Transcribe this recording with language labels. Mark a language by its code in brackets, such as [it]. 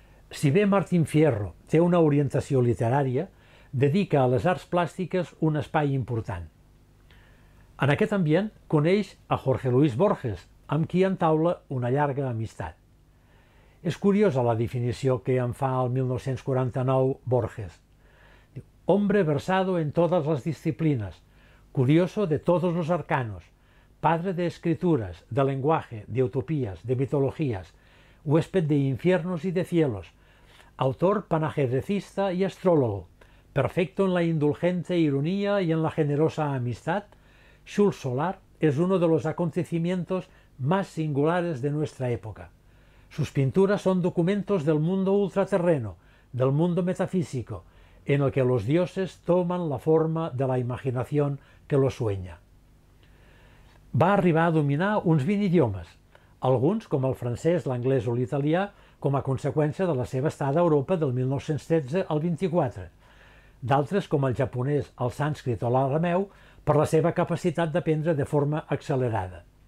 [ca] Si bé Martín Fierro té una orientació literària, dedica a les arts plàstiques un espai important. En aquest ambient coneix a Jorge Luis Borges, amb qui entaula una llarga amistat. És curiosa la definició que en fa el 1949 Borges. [es] Hombre versado en todas las disciplinas, curioso de todos los arcanos, padre de escrituras, de lenguaje, de utopías, de mitologías, huésped de infiernos y de cielos, autor panajedrecista y astrólogo, perfecto en la indulgente ironía y en la generosa amistad, Schull Solar es uno de los acontecimientos más singulares de nuestra época. Sus pinturas son documentos del mundo ultraterreno, del mundo metafísico, en el que los dioses toman la forma de la imaginación que lo sueña. [ca] Va arribar a dominar uns 20 idiomes, alguns com el francès, l'anglès o l'italià, com a conseqüència de la seva estada a Europa del 1913 al 24, d'altres com el japonès, el sànscrit o l'arameu, per la seva capacitat d'aprendre de forma accelerada.